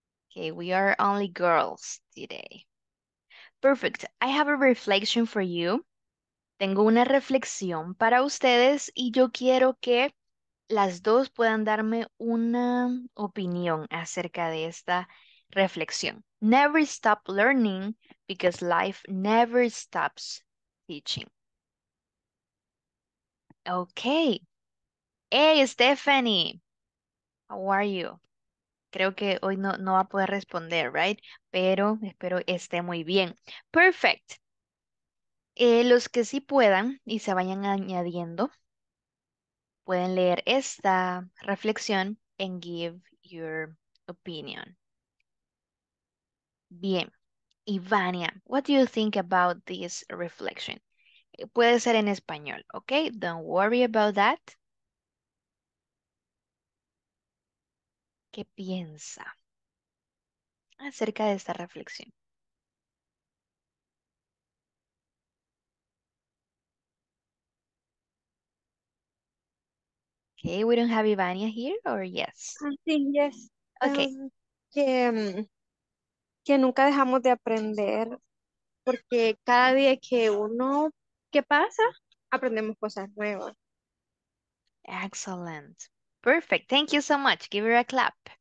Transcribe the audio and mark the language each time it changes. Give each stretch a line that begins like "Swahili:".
English: Okay, we are only girls today. Perfect. I have a reflection for you.
Spanish: Tengo una reflexión para ustedes y yo quiero que las dos puedan darme una opinión acerca de esta reflexión.
English: Never stop learning because life never stops teaching. Okay. Hey, Stephanie. How are you?
Spanish: Creo que hoy no va a poder responder, right? Pero espero esté muy bien. Perfect. Los que sí puedan y se vayan añadiendo, pueden leer esta reflexión
English: and give your opinion.
Spanish: Bien.
English: Ivania, what do you think about this reflection?
Spanish: Puede ser en español,
English: okay? Don't worry about that.
Spanish: ¿Qué piensa acerca de esta reflexión?
English: Okay, we don't have Ivania here, or yes?
Spanish: Sí,
English: yes. Okay.
Spanish: Que nunca dejamos de aprender, porque cada día que uno, ¿qué pasa? Aprendemos cosas nuevas.
English: Excellent. Perfect. Thank you so much. Give her a clap.